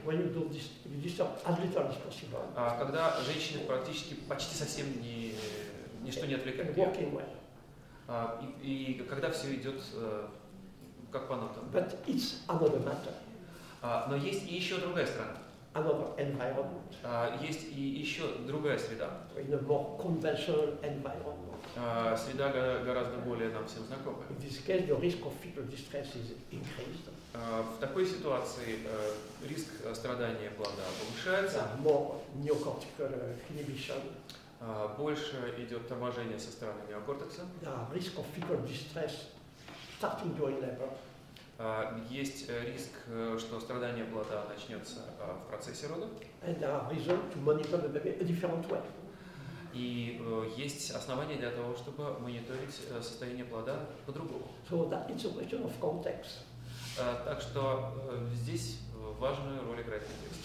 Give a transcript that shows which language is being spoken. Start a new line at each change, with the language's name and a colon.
English: When you do this, you disturb as little as possible.
Russian: Когда женщины практически почти совсем ничто не отвлекает.
English: And working well.
Russian: И когда все идет как по нотам.
English: But it's another matter.
Russian: Но есть и еще другая сторона.
English: Another environment.
Russian: Есть и еще другая среда.
English: In a more conventional environment.
Russian: Среда гораздо более нам всем знакома.
English: In this case, the risk of fetal distress is increased.
Russian: В такой ситуации риск страдания плода повышается.
English: More neocortical inhibition.
Russian: Больше идет торможение со стороны неокортекса.
English: Да, risk of fetal distress starting during labor.
Russian: Есть риск, что страдание плода начнется в процессе родов.
English: And a reason to monitor the baby a different way.
Russian: И есть основания для того, чтобы мониторить состояние плода по-другому.
English: So that it's a question of context.
Russian: Так что здесь важную роль играет контекст.